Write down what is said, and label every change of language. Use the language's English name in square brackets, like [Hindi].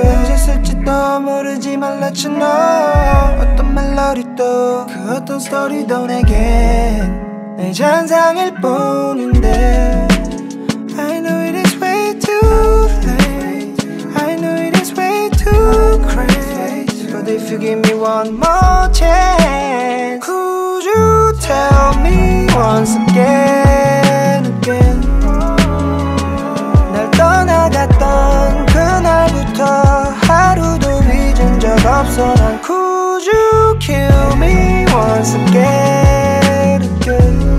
[Korean] 언제 쓸지도 모르지 만 [English] let you know. [Korean] 어떤 멜로디도 그 어떤 스토리도 내겐 내 잔상일 뿐인데. [English] I know it is way too late. I know it is way too crazy. But if you give me one more chance, could you tell me once again, again? [Korean] 떠나갔던 그날부터 하루도 잊은 적 없어. 난 [English] Could you kill me once again, again?